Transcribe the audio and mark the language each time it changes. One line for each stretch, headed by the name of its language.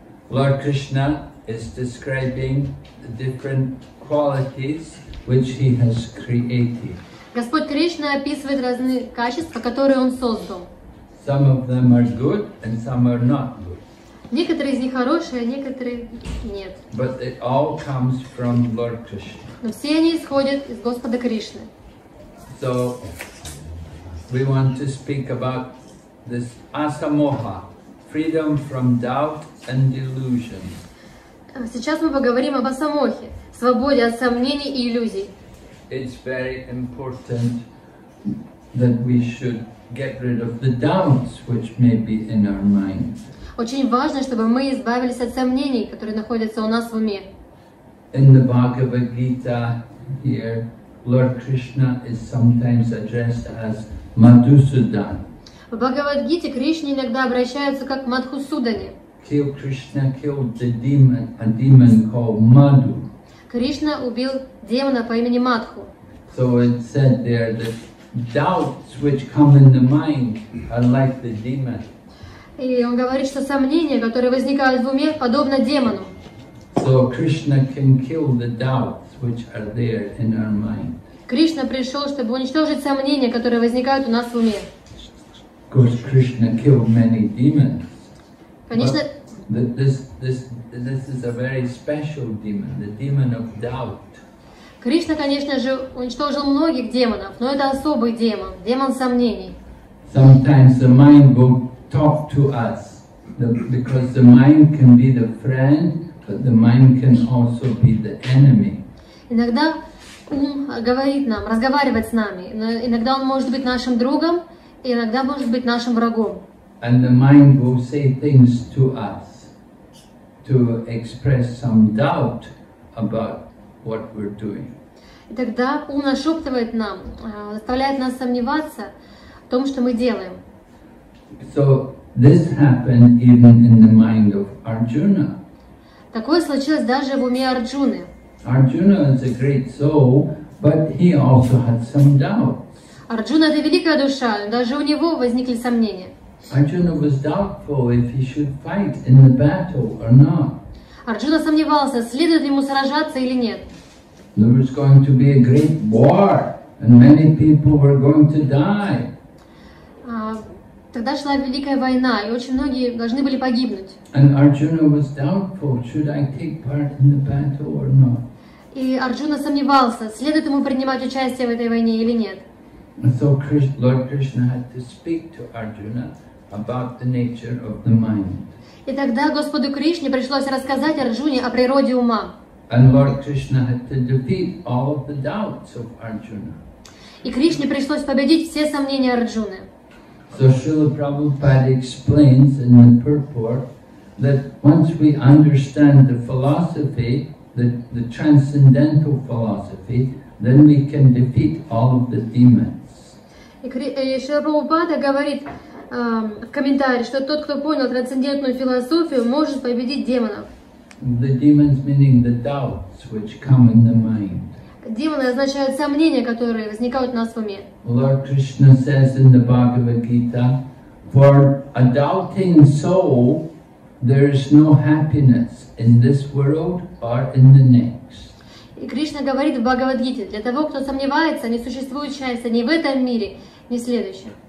English: Lord Krishna is describing the different qualities which he has created.
Russian: Господь Кришна описывает разные качества, которые он создал.
English: Some of them are good and some are not good.
Russian: Некоторые из них хорошие, некоторые нет.
English: But it all comes from Lord Krishna.
Russian: Но все они исходят из Господа Кришны.
English: So we want to speak about this asamoha, freedom from doubt and delusion.
Russian: Сейчас мы поговорим об асамохе, свободе от сомнений и иллюзий.
English: It's very important that we should get rid of the doubts which may be in our mind.
Russian: Очень важно, чтобы мы избавились от сомнений, которые находятся у нас в уме.
English: In the Bhagavad Gita here, Lord Krishna is sometimes addressed as Madhusudan.
Russian: В Бхагавад-гите Кришна иногда обращается как к Мадхусудане.
English: kill Krishna killed the demon, a demon called Madhu.
Russian: Кришна убил демона по имени Мадху.
English: So it said there that doubts which come in the mind are like the demon.
Russian: И он говорит, что сомнения, которые возникают в уме, подобно демону.
English: So Krishna can kill the doubts which are there in our mind.
Russian: Кришна пришел, чтобы уничтожить сомнения, которые возникают у нас в уме.
English: Because Krishna killed many demons.
Russian: Конечно.
English: This is a very special demon, the demon of doubt.
Russian: Кришна, конечно же, уничтожил многих демонов, но это особый демон, демон сомнений.
English: Sometimes the mind will talk to us, because the mind can be the friend, but the mind can also be the enemy.
Russian: Иногда ум говорит нам, разговаривает с нами, но иногда он может быть нашим другом, и иногда может быть нашим врагом.
English: And the mind will say things to us to express some doubt about what we're doing.
Russian: И тогда ум нашептывает нам, заставляет нас сомневаться в том, что мы делаем.
English: So this happened even in the mind of Arjuna.
Russian: Такое случилось даже в уме Арджуны.
English: Arjuna is a great soul, but he also had some doubt.
Russian: Арджуна — это великая душа, но даже у него возникли сомнения.
English: Arjuna was doubtful if he should fight in the battle or not.
Russian: Арджуна сомневался, следует ему сражаться или нет.
English: There was going to be a great war, and many people were going to die.
Russian: Тогда шла великая война, и очень многие должны были погибнуть.
English: And Arjuna was doubtful, should I take part in the battle or not?
Russian: И Арджуна сомневался, следует ему принимать участие в этой войне или нет.
English: And so Lord Krishna had to speak to Arjuna about the nature of the mind.
Russian: И тогда Господу Кришне пришлось рассказать Арджуне о природе ума.
English: And Lord Krishna had to defeat all of the doubts of Arjuna.
Russian: И Кришне пришлось победить все сомнения Арджуны.
English: So Srila Prabhupada explains in the purport that once we understand the philosophy, the transcendental philosophy, then we can defeat all of the demons.
Russian: И Шрила Прабхупада говорит в комментарии, что тот, кто понял трансцендентную философию, может победить демонов.
English: The demons meaning the doubts which come in the mind.
Russian: Демоны означают сомнения, которые возникают у нас в уме.
English: Lord Krishna says in the Bhagavad Gita, for a doubting soul, there is no happiness in this world or in the next.
Russian: И Кришна говорит в Бхагавад-гите, для того, кто сомневается, не существует счастья ни в этом мире, ни в следующем.